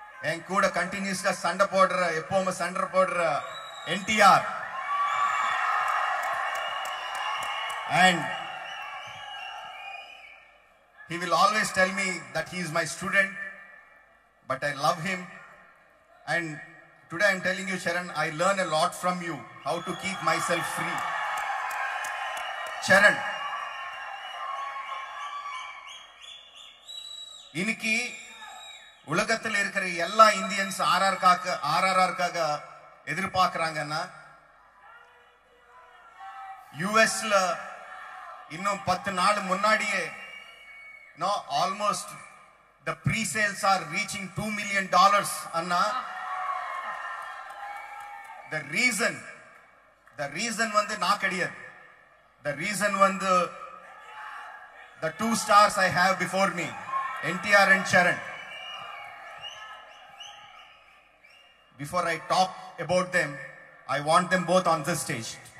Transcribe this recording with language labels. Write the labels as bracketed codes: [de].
[ta] என் கூட கண்டினியூஸ்கா சண்டை போடுற, எப்பவும் சண்டை போடுற NTR. [en] And he will always tell me that he is my student, but I love him. And today I'm telling you, Charan, I learn a lot from you, how to keep myself free. [ta] Charan, இன்னைக்கு உலகத்தில் இருக்கிற எல்லா Indians RRR-க்காக எதிர்பார்க்கிறாங்கன்னா, யுஎஸ்ல இன்னும் 10 நாள் முன்னாடியே [en] no almost the pre sales are reaching $2 million [ta] Anna. [en] The reason வந்து நான் கிடையாது, த ரீசன் வந்து the two stars I have before me, NTR and Charan. Before I talk about them, I want them both on this stage.